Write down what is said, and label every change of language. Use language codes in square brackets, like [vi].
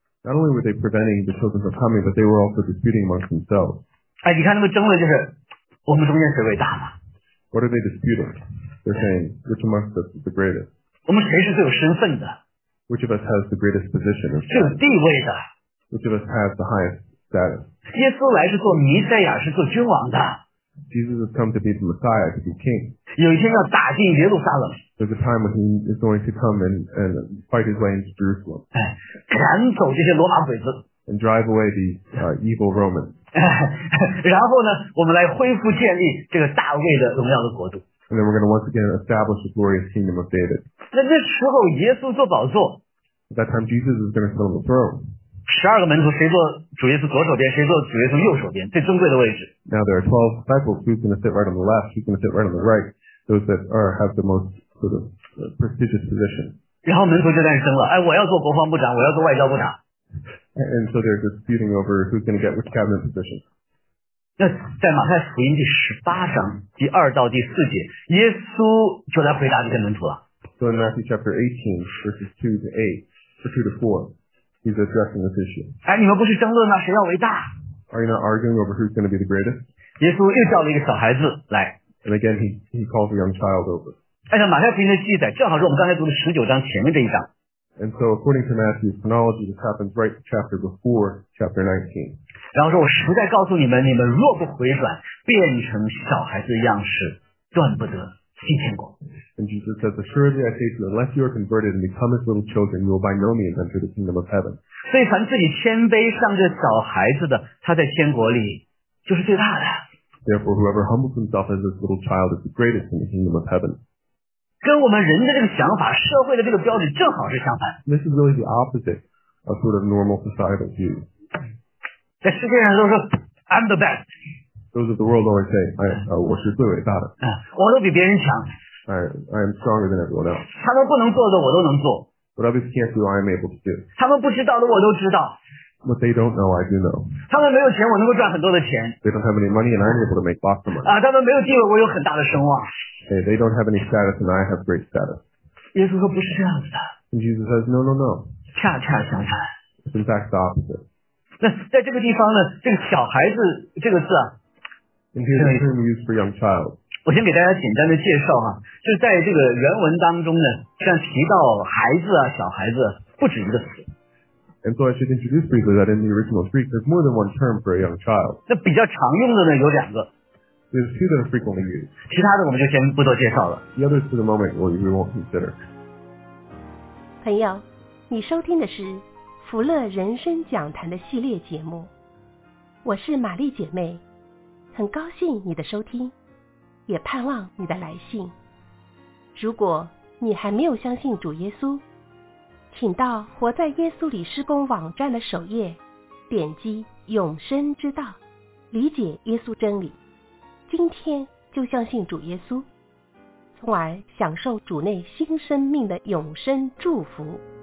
[en] Not only were they preventing the children from coming, but they were also disputing amongst themselves. [zh] 哎，你看他们争论就是，我们中间谁伟大嘛 [en] ？What are they disputing? They're saying which amongst us is the greatest. [zh] 我们谁是最有身份的 [en] ？Which of us has the greatest position? [zh] 最有地位的 [en] ？Which of us has the highest? [zh] 耶稣来是做弥赛亚，是做君王的。 [en] Jesus has come to be the Messiah, to be king. [zh] 有一天要打进耶路撒冷。 [en] There's a time when he is going to come and fight his way into Jerusalem. [zh] 哎，赶走这些罗马鬼子。 [en] And drive away the evil Romans. [zh] 然后呢，我们来恢复建立这个大卫的荣耀的国度。 [en] And then we're going to once again establish the glorious kingdom of David. [zh] 那那时候耶稣坐宝座。 [en] At that time Jesus is going to sit on the throne. [zh] 十二个门徒，谁坐主耶稣左手边，谁坐主耶稣右手边，最尊贵的位置。 [en] Now there are 12 disciples. Who's going to sit right on the left? Who's going to sit right on the right? Those that have the most sort of prestigious position. [zh] 然后门徒就诞生了。哎，我要做国防部长，我要做外交部长。 [en] And so they're disputing over who's going to get which cabinet position. [zh] 那在马太福音第十八章第二到第四节，耶稣就来回答这些门徒了。 [en] So in Matthew chapter 18, verses 2 to 8, or 2 to 4. He's addressing this issue. [zh] 哎，你们不是争论吗？谁要伟大 [en] ？Are you not arguing over who's going to be the greatest? [zh] 耶稣又叫了一个小孩子来。 [en] And again, he calls a young child over. [zh] 按照马太福音的记载，正好是我们刚才读的十九章前面这一章。 [en] And so according to Matthew's chronology, this happens right chapter before chapter 19. [zh] 然后说我实在告诉你们，你们若不回转，变成小孩子的样式，断不得新天国。 [en] And Jesus says, assuredly I say to you, unless you are converted and become as little children, you will by no means enter the kingdom of heaven. [zh] 所以凡自己谦卑像这小孩子的，他在天国里就是最大的。 [en] Therefore, whoever humbles himself as this little child is the greatest in the kingdom of heaven. [zh] 跟我们人的这个想法，社会的这个标准正好是相反。 [en] This is really the opposite of sort of normal societal view. [zh] 在世界上都说 [en] I'm the best. Those of the world always say, I [zh] 我是最伟大的。我都比别人强。 [en] I am stronger than everyone else. [zh] 他们不能做的我都能做。 [en] What others can't do, I am able to do. [zh] 他们不知道的我都知道。 [en] What they don't know, I do know. [zh] 他们没有钱，我能够赚很多的钱。 [en] They don't have any money, and I'm able to make lots of money. [zh] 他们没有地位，我有很大的声望。 [en] They don't have any status, and I have great status. [zh] 耶稣说不是这样子的。 [en] And Jesus says, no, no, no. [zh] 恰恰相反。 [en] It's in fact the opposite. [zh] 那在这个地方呢，这个小孩子这个字啊， [en] term used for young child. [zh] 我先给大家简单的介绍啊，就是在这个原文当中呢，像提到孩子啊，小孩子不止一个词。 [en] And so I should introduce briefly that in the original Greek, there's more than one term for a young child. [zh] 那比较常用的呢，有两个。 [en] There's two that are frequently used. [zh] 其他的我们就先不多介绍了。 [en] The others for the moment we won't consider. [zh] 朋友，你收听的是。福乐人生讲坛的系列节目，我是玛丽姐妹，很高兴你的收听，也盼望你的来信。如果你还没有相信主耶稣，请到活在耶稣里施工网站的首页，点击永生之道，理解耶稣真理，今天就相信主耶稣，从而享受主内新生命的永生祝福。